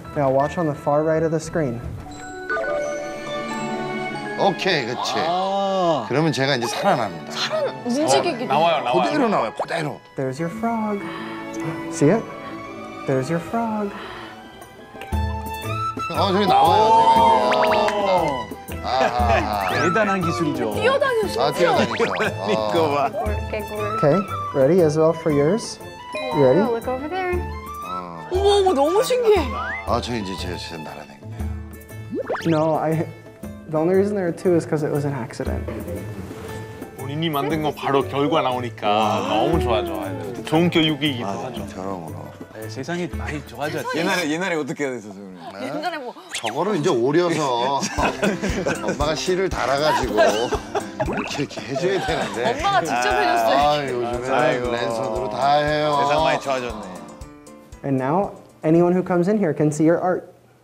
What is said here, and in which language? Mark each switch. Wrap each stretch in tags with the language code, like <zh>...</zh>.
<en>Now watch on the far right of the screen.</en> <ko>오케이, okay, 그렇지. 아~ 그러면 제가 이제 살아납니다. 움직이기 나와요, 나와요. 그대로 나와요, 그대로.</ko> <en>There's your frog. See it? There's your frog.</en> <ko>어, 저기 나와요. 대단한 기술이죠. 뛰어다니죠. 아, 뛰어다니죠. 이거 봐.</ko> <en>Okay, ready as well for yours? You ready? Look over there.</en> <ko>우와, 우와, 너무 신기해. 아, 저 이제 제가 날아다니네요.</ko> <en>No, I... The only reason there are two is because it was an accident.</en> <ko>본인이 만든 건 바로 결과 나오니까 너무 좋아 좋아. 좋은 교육이기도 하죠. 저런 거. 세상이 많이 좋아져. 옛날에 어떻게 해야 됐어, 저거는? 옛날에 뭐. 저거를 이제 오려서 엄마가 실을 달아가지고 이렇게 해줘야 되는데. 엄마가 직접 해줬어요. 아, 요즘에 랜선으로 다 해요. 세상 많이 좋아졌네.</ko> <en>And now anyone who comes in here can see your art.</en>